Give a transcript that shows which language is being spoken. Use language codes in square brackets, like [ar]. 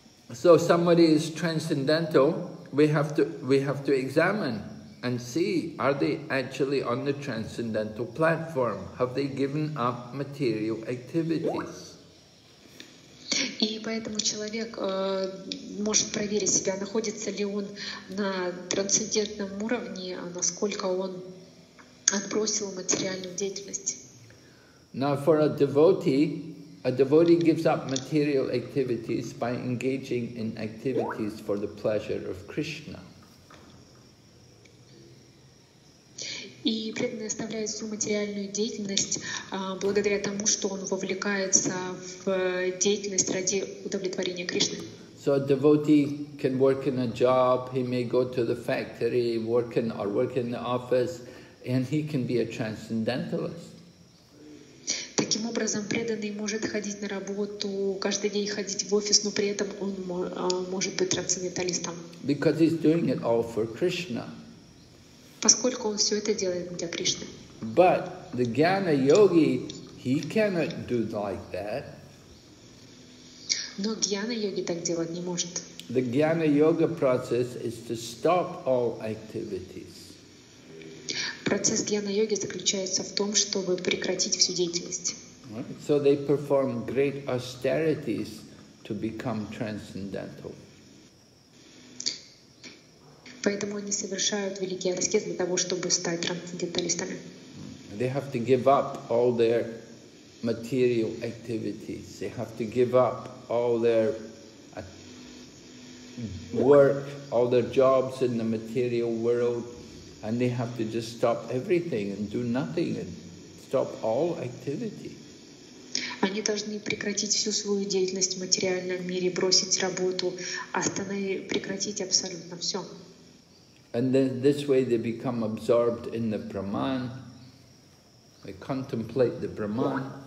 [en] So somebody is transcendental, we have to examine and see, are they actually on the transcendental platform? Have they given up material activities? [ru] И поэтому человек может проверить себя, находится ли он на трансцендентном уровне, насколько он отбросил материальную деятельность. [en] Now for a devotee gives up material activities by engaging in activities for the pleasure of Krishna. [ru] И преданный оставляет всю материальную деятельность благодаря тому, что он вовлекается в деятельность ради удовлетворения Кришны. [en] So a devotee can work in a job, he may go to the factory, work in the office, and he can be a transcendentalist. [ru] Таким образом преданный может ходить на работу, каждый день ходить в офис, но при этом он может быть трансценденталистом. [en] Because he's doing it all for Krishna. [ru] Поскольку он все это делает для Кришны. [en] But the Jnana Yogi, he cannot do like that. [ru] Но Jnana Yogi так делать не может. [en] The Jnana Yoga process is to stop all activities. [ru] Процесс Jnana Yogi заключается в том, чтобы прекратить всю деятельность. [en] Right. So they perform great austerities to become transcendental. [ru] Поэтому они совершают великие аскезы для того, чтобы стать трансценденталистами. [en] They have to give up all their material activities. They have to give up all their work, all their jobs in the material world, and they have to just stop everything and do nothing and stop all activity. [ru] Они должны прекратить всю свою деятельность в материальном мире, бросить работу, прекратить абсолютно все. [en] And then this way they become absorbed in the Brahman. They contemplate the Brahman.